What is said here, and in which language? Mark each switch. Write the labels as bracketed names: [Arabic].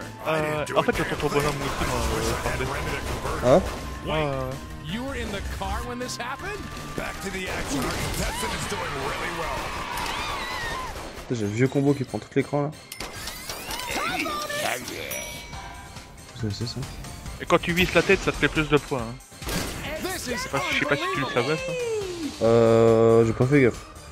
[French] En fait, j'entends ton bonhomme aussi dans le parler. Hein? [English] You were in the car when this happened? Back to the action. Our contestant is doing really well. [French] J'ai un vieux combo qui prend tout l'écran là. C'est ça. Et quand tu vises la tête, ça te fait plus de points. Hein. Je sais pas si tu le savais ça. J'ai pas fait gaffe.